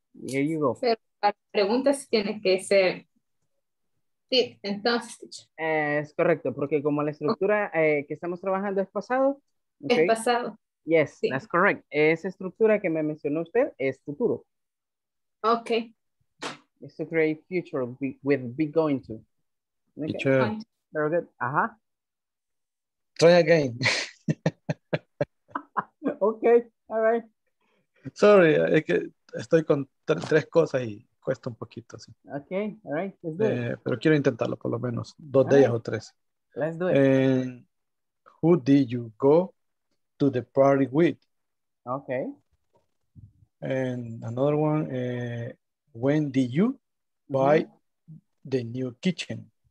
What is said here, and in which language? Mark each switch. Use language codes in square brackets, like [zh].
[en] Here you go. [es] Pero para preguntas tiene que ser did, entonces. Es correcto, porque como la estructura que estamos trabajando es pasado. Okay? Es pasado. [en] Yes, sí. That's correct. [es] Esa estructura que me mencionó usted es futuro. [en] Okay. It's to create future with be going to. Okay. Future. Very good. Ajá. Try again. Okay. All right. [es] Sorry, es que estoy con tres cosas y cuesta un poquito. Sí. [en] Okay, all right, let's do it. [es] Pero quiero intentarlo por lo menos dos días o tres. [en] Let's do it. Who did you go to the party with? Okay. And another one, when did you buy the new kitchen?